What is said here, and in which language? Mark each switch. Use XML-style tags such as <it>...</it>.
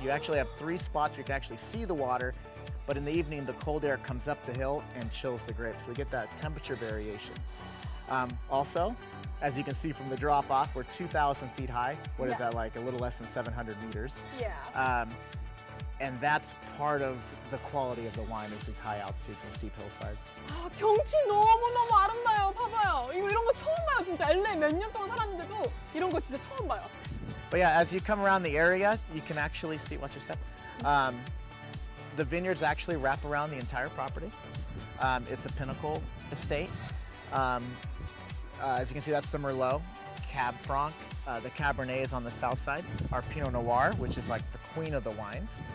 <en>You actually have three spots where you can actually see the water, but in the evening, the cold air comes up the hill and chills the grapes. We get that temperature variation. Also, as you can see from the drop-off, we're 2,000 feet high. What is that like? A little less than 700 meters. Yeah. And that's part of the quality of the wine is these high altitudes and steep hillsides.</en> <ko>아, 경치 너무너무 아름다워요. 봐봐요. 이런 거 처음 봐요. 진짜 LA 몇 년 동안 살았는데도 이런 거 진짜 처음 봐요.</ko> <en>But yeah, as you come around the area, you can actually see, watch your step. The vineyards actually wrap around the entire property. It's a pinnacle estate. As you can see, that's the Merlot, Cab Franc. The Cabernet is on the south side. Our Pinot Noir, which is like the queen of the wines.</en>